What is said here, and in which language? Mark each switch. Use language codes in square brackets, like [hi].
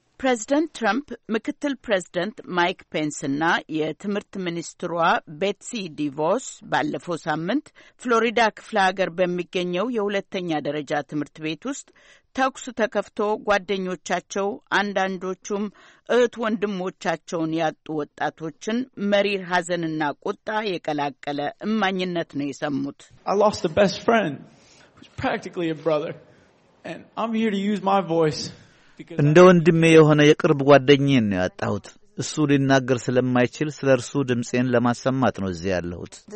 [am] ፕሬዚደንት ትራምፕ፣ ምክትል ፕሬዚደንት ማይክ ፔንስ እና የትምህርት ሚኒስትሯ ቤትሲ ዲቮስ ባለፈው ሳምንት ፍሎሪዳ ክፍለ ሀገር በሚገኘው የሁለተኛ ደረጃ ትምህርት ቤት ውስጥ ተኩስ ተከፍቶ ጓደኞቻቸው አንዳንዶቹም እህት ወንድሞቻቸውን ያጡ ወጣቶችን መሪር ሐዘንና ቁጣ የቀላቀለ እማኝነት ነው የሰሙት። [en] I lost the best friend, who's practically a brother, and I'm here to use my voice. [am] እንደ ወንድሜ የሆነ የቅርብ ጓደኛዬን ነው ያጣሁት። እሱ ሊናገር ስለማይችል ስለ እርሱ ድምጼን ለማሰማት ነው እዚህ ያለሁት።